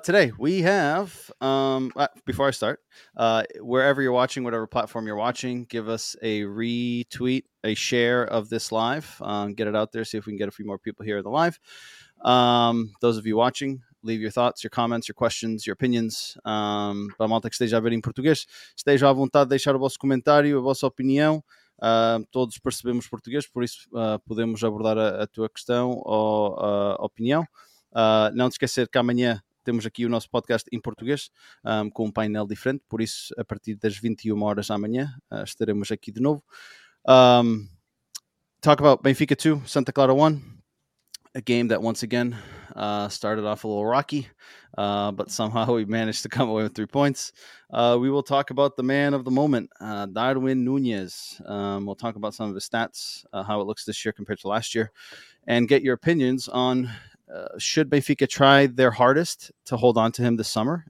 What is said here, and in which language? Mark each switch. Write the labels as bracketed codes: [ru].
[en] Today, we have, before I start, wherever you're watching, whatever platform you're watching, give us a retweet, a share of this live. Get it out there. See if we can get a few more people here in the live. Those of you watching, leave your thoughts, your comments, your questions, your opinions. [pt] Para malta que esteja a ver em português, esteja à vontade de deixar o vosso comentário, a vossa opinião. Todos percebemos português, por isso podemos abordar a tua questão ou a opinião. Não te esquecer que amanhã temos aqui o nosso podcast em português, com um painel diferente, por isso a partir das 21 horas amanhã estaremos aqui de novo. [en] Talk about Benfica 2, Santa Clara 1, a game that once again started off a little rocky, but somehow we managed to come away with 3 points. We will talk about the man of the moment, Darwin Núñez. We'll talk about some of his stats, how it looks this year compared to last year, and get your opinions on should Benfica try their hardest to hold on to him this summer.